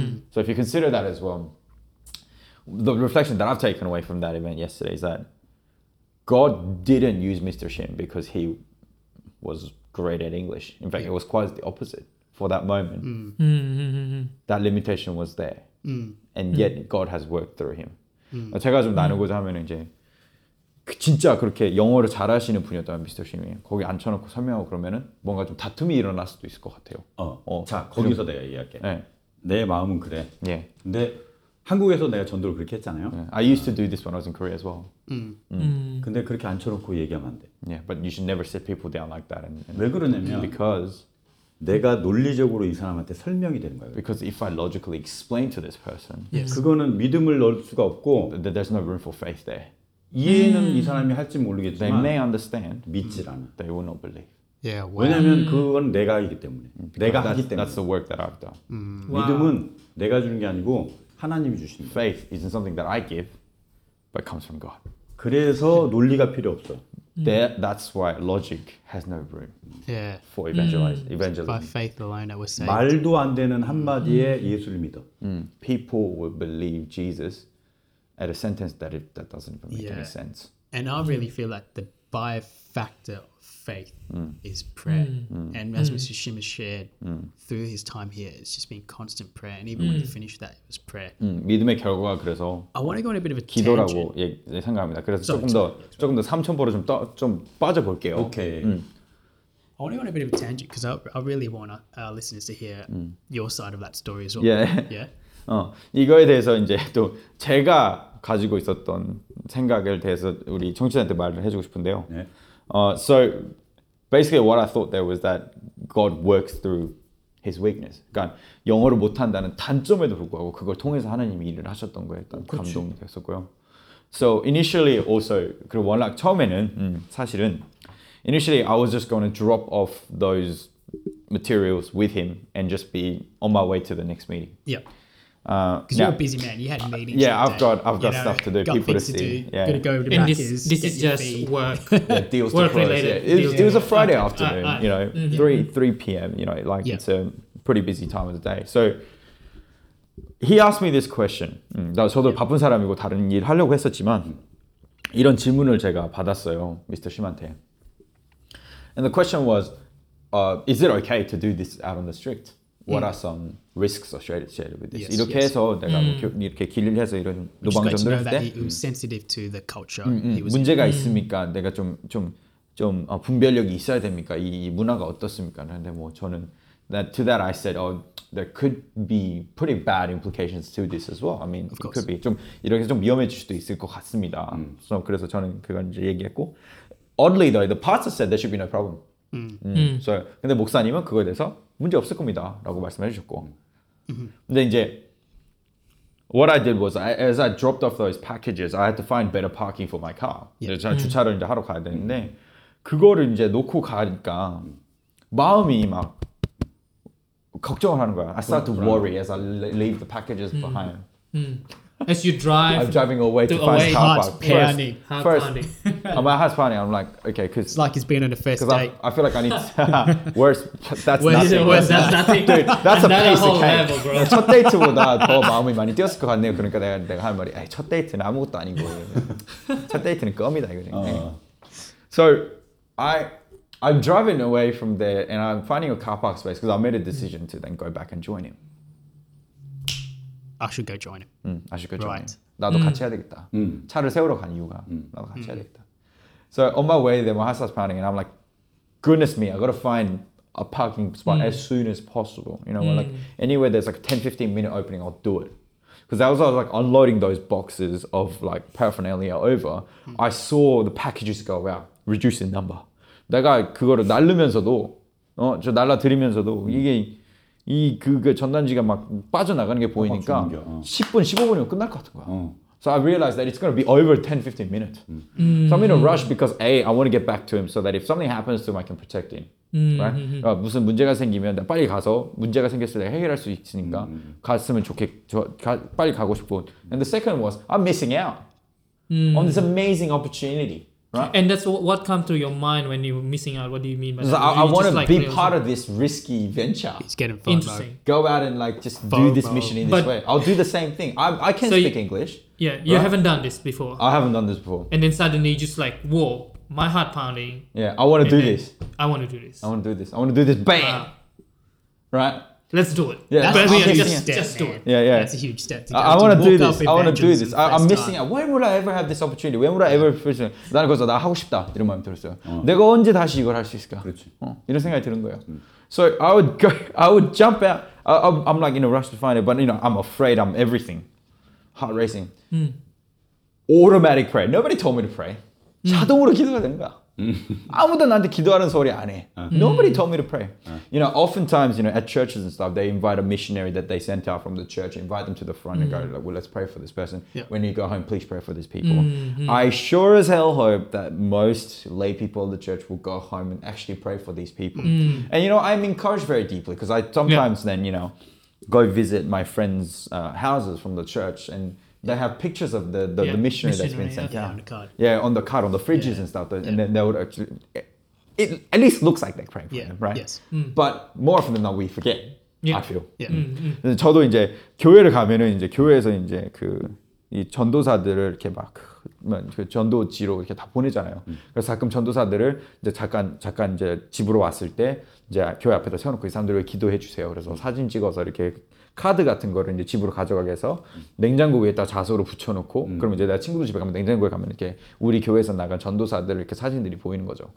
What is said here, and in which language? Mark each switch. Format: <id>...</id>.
<en>So if you consider that as well, the reflection that I've taken away from that event yesterday is that God didn't use Mr. Shim because he was great at English. In fact, it was quite the opposite for that moment. That limitation was there. And yet God has worked through him.</en> <ko>제가 좀 나누고자 하면 이제 진짜 그렇게 영어를 잘하시는 분이었다면 미스터 쉼이 거기 앉혀놓고 설명하고 그러면은 뭔가 좀 다툼이 일어날 수도 있을 것 같아요. 자, 거기서 내가 이해할게. 네. 내 마음은 그래. 예. 근데 한국에서 내가 전도를 그렇게 했잖아요.</ko> <en>I used to do this when I was in Korea as well.</en> <ko>근데 그렇게 앉혀놓고 얘기하면 안 돼.</ko> <en>Yeah, but you should never sit people down like that. And</en> <ko>왜 그러냐면</ko> <en>because</en> <ko>내가 논리적으로 이 사람한테 설명이 되는 거예요.</ko> <en>Because if I logically explain to this person, yes.</en> <ko>그거는 믿음을 넣을 수가 없고</ko> <en>there's no room for faith there.</en> <ko>이해는 이 사람이 할지 모르겠지만</ko> <en>they may understand,</en> <ko>믿질 않아.</ko> <en>They will not believe. Yeah, wow.</en> <ko>왜냐면 그건 내가 하기 때문에</ko> <en>Because</en> <ko>내가 하기 때문에</ko> <en>that's the work that I've done.</en> <ko>믿음은 내가 주는 게 아니고 하나님이 주신다.</ko> <en>Faith isn't something that I give, but comes from God.</en> <ko>그래서 논리가 필요 없어.</ko> <en>That's why logic has no room for evangelism. By faith alone, that was saved.</en> <ko>말도 안 되는 한마디에 예수를 믿어.</ko> <en>People will believe Jesus at a sentence that doesn't even make any sense. And I really feel like the by factor of faith is prayer. And as Mr. Shim has shared through his time here, it's just been constant prayer. And even when he finished that, it was prayer.</en> <ko>믿음의 결과가 그래서</ko> <en>I want to go on a bit of a</en> <ko>기도라고</ko> <en>tangent.</en> <ko>예, 예, 생각합니다. 그래서 조금 더 삼천포로 좀 빠져볼게요.</ko> <en>Okay. I want to go on a bit of a tangent because I really want our listeners to hear your side of that story as well. Yeah.</en> <ko>이거에 대해서 이제 또 제가 가지고 있었던 생각에 대해서 우리 청취자한테 말을 해주고 싶은데요. 네.</ko> <en>So basically what I thought there was that God works through his weakness.</en> <ko>그러니까 영어를 못한다는 단점에도 불구하고 그걸 통해서 하나님이 일을 하셨던 거에 일단 감동이 됐었고요.</ko> <en>So initially also,</en> <ko>그리고 워낙 처음에는 사실은</ko> <en>initially I was just going to drop off those materials with him and just be on my way to the next meeting. Yep. Because you're a busy man, you had meetings. Yeah, I've got stuff to do, got people things to see. To do. Yeah. Gotta go over to and Macca's. This is just work. Yeah, deals work to close. Related. Yeah. It was a Friday afternoon, you know, 3 p.m., you know, like it's a pretty busy time of the day. So he asked me this question.</en> <ko>저도 바쁜 사람이고 다른 일 하려고 했었지만, 이런 질문을 제가 받았어요, Mr. Shim한테.</ko> <en>And the question was, is it okay to do this out on the street? What are some risks associated with this? Yes,</en> <ko>이렇게</ko> <en>yes.</en> <ko>해서 내가 이렇게 길을 해서 이런 노방점들 때</ko> <en>sensitive to the culture.</en> <ko>문제가 있습니까? 내가 좀 분별력이 있어야 됩니까? 이 문화가 어떻습니까? 근데 뭐 저는</ko> <en>to that I said, oh, there could be pretty bad implications to this as well. I mean, of course. It could be</en> <ko>좀 이렇게 좀 위험해질 수도 있을 것 같습니다.</ko> <en>So</en> <ko>그래서 저는 그걸 이제 얘기했고,</ko> <en>oddly though, the pastor said there should be no problem.</en> <ko>So 근데 목사님은 그거에 대해서 문제 없을 겁니다 라고 말씀해 주셨고 근데 이제</ko> <en>what I did was as I dropped off those packages I had to find better parking for my car</en> <ko>이제 제가 주차를 이제 하러 가야 되는데 그거를 이제 놓고 가니까 마음이 막 걱정을 하는 거야</ko> <en>I start to worry as I leave the packages behind as you drive I'm driving away to find a car park first my heart's pounding I'm like okay cause it's like he's been on a first date I feel like I need to worse that's worse, nothing worse, that's nothing dude that's and a that piece a whole of cake level, bro.</en> <ko>첫 데이트보다 더 마음이 많이 뛰었을 것 같네요 그러니까 내가 할 말이 첫 데이트는 아무것도 아닌 거예요 첫 데이트는 껌이다 이거지</ko> <en>So I'm driving away from there and I'm finding a car park space because I made a decision to then go back and join him. I should go join him. I should go join him.</en> <ko>나도 같이 해야 되겠다. 차를 세우러 간 이유가 나도 같이 해야 되겠다.</ko> <en>So on my way there, my heart starts pounding and I'm like, goodness me, I gotta find a parking spot as soon as possible. You know, like anywhere there's like a 10-15 minute opening, I'll do it. Because as I was like unloading those boxes of like paraphernalia over, I saw the packages go out, reducing number.</en> <ko>내가 그거를 날르면서도, 어, 저 날라드리면서도 이게 이 그 전단지가 막 빠져나가는 게 보이니까 10분, 15분이면 끝날 것 같은 거야.</ko> <en>So I realized that it's going to be over 10-15 minutes. So I'm in a rush because A, I want to get back to him so that if something happens to him, I can protect him. Right?</en> <ko>무슨 문제가 생기면 빨리 가서 문제가 생겼을 때 해결할 수 있으니까 갔으면 좋겠고 빨리 가고 싶고.</ko> <en>And the second was, I'm missing out on this amazing opportunity. Right? And that's what comes to your mind when you're missing out. What do you mean by that? Like, I want to like be part of this risky venture. It's getting fun. Interesting. Like, go out and like just do this mission in this way. I'll do the same thing. I can speak English. Yeah, you haven't done this before. I haven't done this before. And then suddenly you just like, whoa, my heart pounding. Yeah, I want to do this. I want to do this. I want to do this. I want to do this. Bam! Right? Let's do it. Yeah, that's a huge step. Just do it. Yeah, yeah. That's a huge step. I want to do this. I want to do this. I'm missing out. When would I ever have this opportunity? When would I ever feel it?</en> <ko>나는 그래서 나 하고 싶다 이런 마음 들었어요. 내가 언제 다시 이걸 할 수 있을까? 그렇지. 이런 생각이 드는 거예요.</ko> <en>So I would jump out. I'm like in a rush to find it, but you know I'm afraid. I'm everything, heart racing. Automatic prayer. Nobody told me to pray.</en> <ko>자동으로 기도가 되는 거야. 아무도 나한테 기도하는 소리 안 해.</ko> <en>Nobody told me to pray. You know, oftentimes, you know, at churches and stuff, they invite a missionary that they sent out from the church, invite them to the front and go, like, well, let's pray for this person. Yep. When you go home, please pray for these people. I sure as hell hope that most lay people in the church will go home and actually pray for these people. And, you know, I'm encouraged very deeply because I sometimes then, you know, go visit my friends' houses from the church and they have pictures of the missionary that's been sent out. On the card, on the fridges and stuff. And then they would actually, it at least looks like they're praying for them, right? Yes. But more often than not, we forget, I feel. Yeah.</en> <ko>저도 이제 교회를 가면은 이제 교회에서 이제 그 이 전도사들을 이렇게 막 그 전도지로 이렇게 다 보내잖아요. 그래서 가끔 전도사들을 이제 잠깐 이제 집으로 왔을 때 이제 교회 앞에다 세워놓고 이 사람들을 기도해 주세요. 그래서 사진 찍어서 이렇게 카드 같은 거를 이제 집으로 가져가게 해서 냉장고 위에다 자소로 붙여놓고 그러면 이제 내가 친구들 집에 가면 냉장고에 가면 이렇게 우리 교회에서 나간 전도사들 이렇게 사진들이 보이는 거죠.</ko>